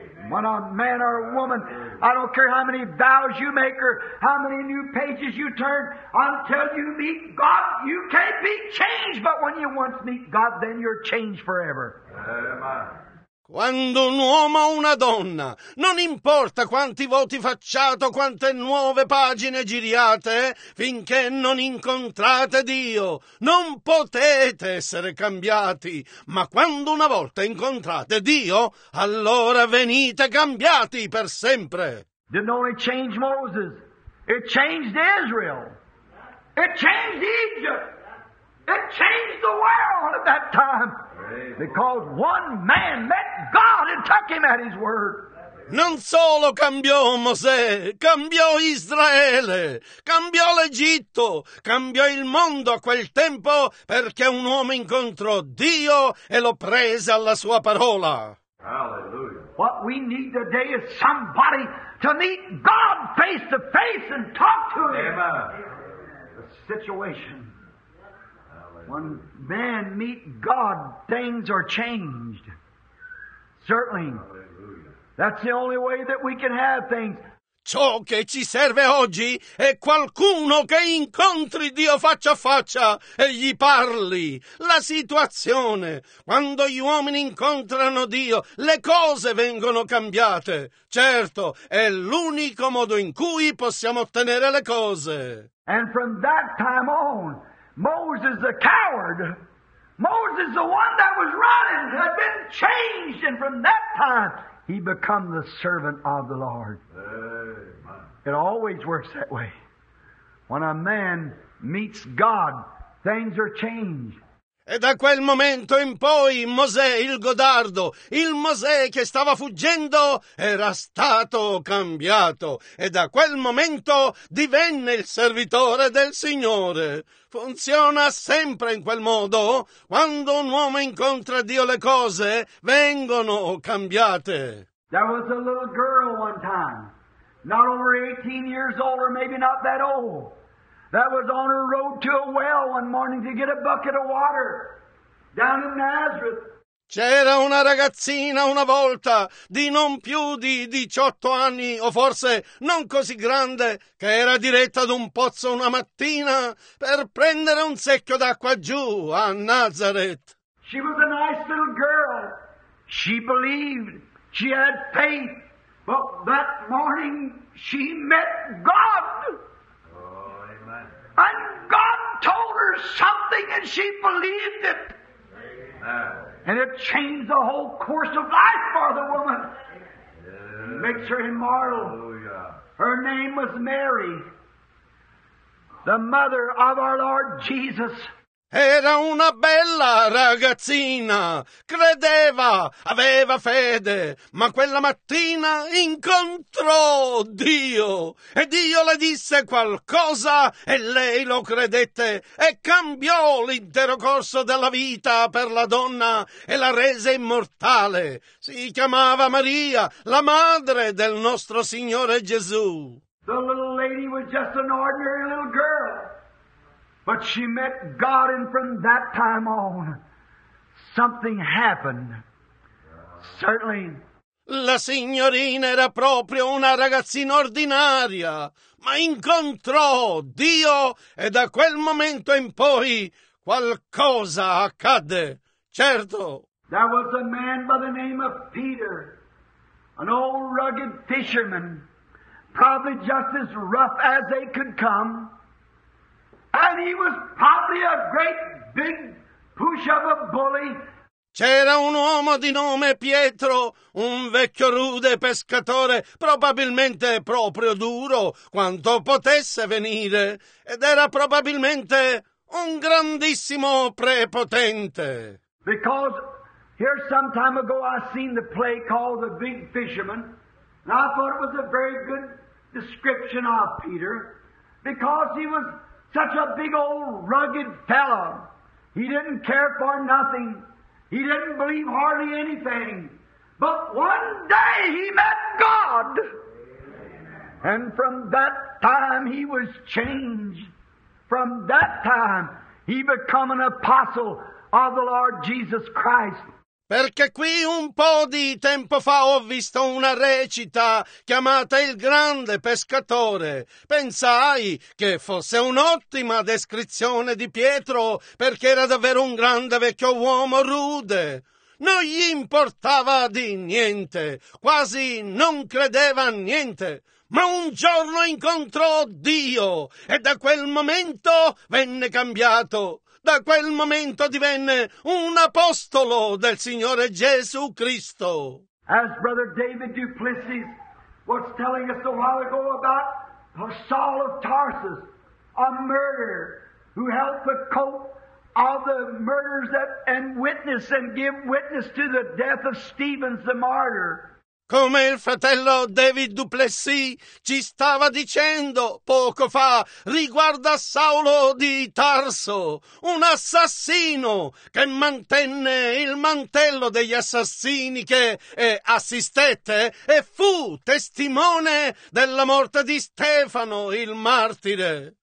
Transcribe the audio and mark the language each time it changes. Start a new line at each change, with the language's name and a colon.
English: When a man or a woman, I don't care how many vows you make or how many new pages you turn, until you meet God, you can't be changed. But when you once meet God, then you're changed forever. Amen.
Italian: Quando un uomo o una donna, non importa quanti voti facciate o quante nuove pagine giriate, finché non incontrate Dio, non potete essere cambiati. Ma quando una volta incontrate Dio, allora venite cambiati per sempre.
English: Didn't only change Moses, it changed Israel, it changed Egypt, it changed the world at that time. Because one man met God and took him at his word.
Italian: Non solo cambiò Mosè, cambiò Israele, cambiò l'Egitto, cambiò il mondo a quel tempo perché un uomo incontrò Dio e lo prese alla sua parola.
English: Hallelujah. What we need today is somebody to meet God face to face and talk to him. Amen. The situation. When men meet God, things are changed. Certainly. That's the only way that we can have things.
Italian: Ciò che ci serve oggi è qualcuno che incontri Dio faccia a faccia e gli parli. La situazione, quando gli uomini incontrano Dio, le cose vengono cambiate. Certo, è l'unico modo in cui possiamo ottenere le cose.
English: And from that time on, Moses the coward, Moses the one that was running, had been changed, and from that time he became the servant of the Lord. Amen. It always works that way. When a man meets God, things are changed.
Italian: E da quel momento in poi Mosè il godardo, il Mosè che stava fuggendo, era stato cambiato. E da quel momento divenne il servitore del Signore. Funziona sempre in quel modo. Quando un uomo incontra Dio le cose vengono cambiate.
English: There was a little girl one time, not over 18 years old or maybe not that old, that was on her road to a well one morning to get a bucket of water down in Nazareth.
Italian: C'era una ragazzina una volta di non più di 18 anni o forse non così grande che era diretta ad un pozzo una mattina per prendere un secchio d'acqua giù a Nazareth.
English: She was a nice little girl. She believed. She had faith. But that morning she met God. And God told her something and she believed it. Amen. And it changed the whole course of life for the woman. Yes. Makes her immortal. Hallelujah. Her name was Mary, the mother of our Lord Jesus.
Italian: Era una bella ragazzina, credeva, aveva fede, ma quella mattina incontrò Dio, e Dio le disse qualcosa, e lei lo credette, e cambiò l'intero corso della vita per la donna, e la rese immortale. Si chiamava Maria, la madre del nostro Signore Gesù.
English: The little lady was just an ordinary little girl. But she met God, and from that time on, something happened. Certainly.
Italian: La signorina era proprio una ragazzina ordinaria, ma incontrò Dio, e da quel momento in poi qualcosa accadde. Certo.
English: There was a man by the name of Peter, an old rugged fisherman, probably just as rough as they could come. And he was probably a great big push of a bully.
Italian: C'era un uomo di nome Pietro, un vecchio rude pescatore, probabilmente proprio duro, quanto potesse venire, ed era probabilmente un grandissimo prepotente.
English: Because here some time ago I seen the play called The Big Fisherman, and I thought it was a very good description of Peter, because he was such a big old rugged fellow. He didn't care for nothing. He didn't believe hardly anything. But one day he met God. Amen. And from that time he was changed. From that time he became an apostle of the Lord Jesus Christ.
Italian: Perché qui un po' di tempo fa ho visto una recita chiamata Il Grande Pescatore. Pensai che fosse un'ottima descrizione di Pietro, perché era davvero un grande vecchio uomo rude. Non gli importava di niente, quasi non credeva a niente. Ma un giorno incontrò Dio, e da quel momento venne cambiato. Da quel momento divenne un apostolo del Signore Gesù Cristo.
English: As Brother David Duplessis was telling us a while ago about Saul of Tarsus, a murderer who held the coat of the murderers that, and witness and give witness to the death of Stephen the martyr.
Italian: Come il fratello David Duplessis ci stava dicendo poco fa riguardo a Saulo di Tarso, un assassino che mantenne il mantello degli assassini che assistette e fu testimone della morte di Stefano il martire.